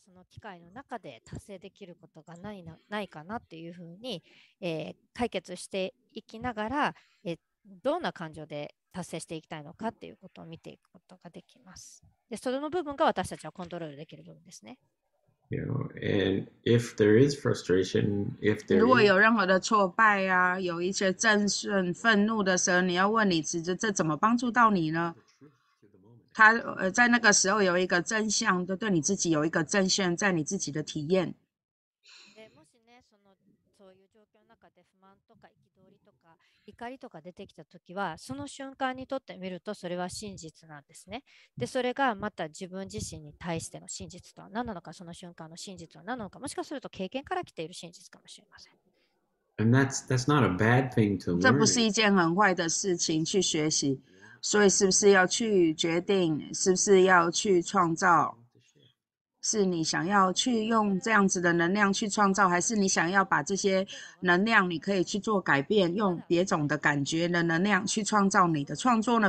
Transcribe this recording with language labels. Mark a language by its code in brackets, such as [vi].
[ja] 機械の中で達成できることがないな、ないかなっていうふうに、解決していきながら、どんな感情で達成していきたいのかっていうことを見ていくことができます。で、その部分が私たちはコントロールできる部分ですね。 [en] You know, and if there is frustration, if there is... [zh] 如果有任何的挫败啊，有一些憎恨、愤怒的时候，你要问你自己，这怎么帮助到你呢？他在那个时候有一个真相，都对你自己有一个真相，在你自己的体验。 [ja] もしね、そういう状況の中で不満とか憤りとか怒りとか出てきたときは、その瞬間にとってみるとそれは真実なんですね。で、それがまた自分自身に対しての真実とは何なのか、その瞬間の真実は何なのか、もしかすると経験から来ている真実かもしれません。 [en] And that's not a bad thing to learn. [zh] 这不是一件很坏的事情去学习。所以是不是要去决定，是不是要去创造，是你想要去用这样子的能量去创造，还是你想要把这些能量你可以去做改变，用别种的感觉的能量去创造你的创作呢？